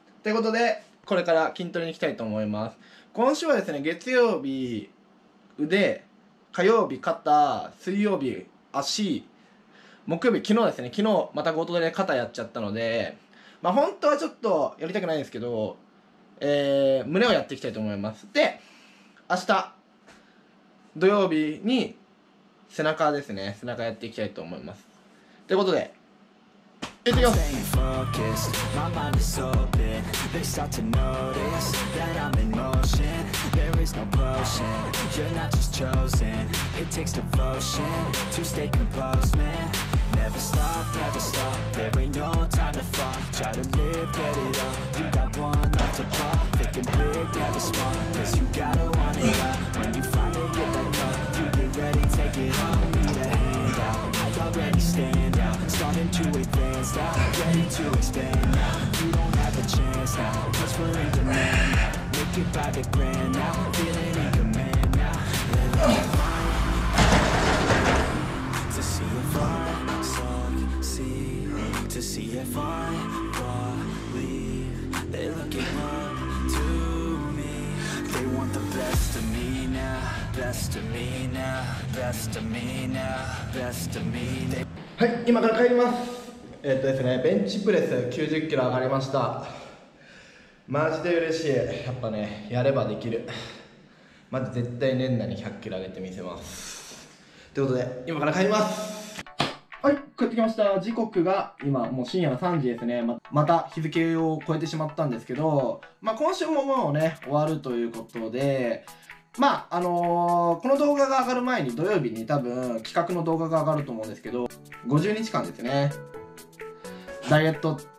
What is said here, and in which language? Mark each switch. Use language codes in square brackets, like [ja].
[ja] ってことで、これから筋トレに行きたいと思います。今週はですね、月曜日腕、火曜日肩、水曜日足、木曜日、昨日ですね、昨日また強盗で肩やっちゃったので、まあ本当はちょっとやりたくないんですけど、胸をやっていきたいと思います。で、明日、土曜日に背中ですね、背中やっていきたいと思います。ということで、いってきます。 [en] There is no potion, you're not just chosen. It takes devotion to stay composed, man. Never stop, never stop, there ain't no time to fall. Try to live, get it up, you got one life to pop. Thinking big, never small, cause you gotta want it up. When you finally get that up, you get ready, take it on. Need a hand out, I already stand out. Starting to advance now, ready to expand now. You don't have a chance now, cause we're in demand now. To see if I succeed, to see if I believe. They're looking up to me. They want the best of me now, best of me now, best of me now, best of me now. [ja] はい、今から帰ります。ですね、ベンチプレス90キロ上がりました。マジで嬉しい。やっぱね、やればできる。まず絶対年内に100キロ上げてみせます。ということで、今から帰ります。はい、帰ってきました。時刻が今もう深夜の3時ですね。また日付を超えてしまったんですけど、まあ今週ももうね終わるということで、まあこの動画が上がる前に土曜日に多分企画の動画が上がると思うんですけど、50日間ですね、ダイエット